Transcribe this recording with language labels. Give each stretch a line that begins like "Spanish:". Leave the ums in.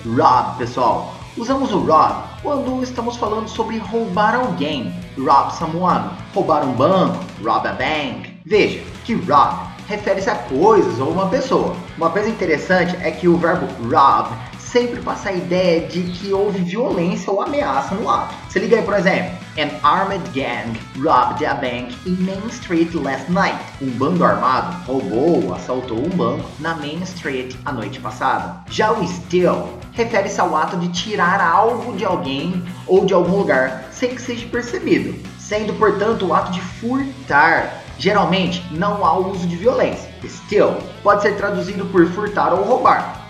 Portuguese: Rob, pessoal, Usamos o rob quando estamos falando sobre roubar alguém.
English: Rob someone,
Portuguese: roubar um banco,
English: rob a bank.
Portuguese: Veja que rob refere-se a coisas ou uma pessoa. Uma coisa interessante é que o verbo rob sempre passa a ideia de que houve violência ou ameaça no ato. Se liga aí, por exemplo,
English: An armed gang robbed a bank in Main Street last night.
Portuguese: Um bando armado roubou, assaltou um banco na Main Street a noite passada. Já o steal refere-se ao ato de tirar algo de alguém ou de algum lugar sem que seja percebido, sendo portanto o ato de furtar. Geralmente não há o uso de violência. Steal pode ser traduzido por furtar ou roubar.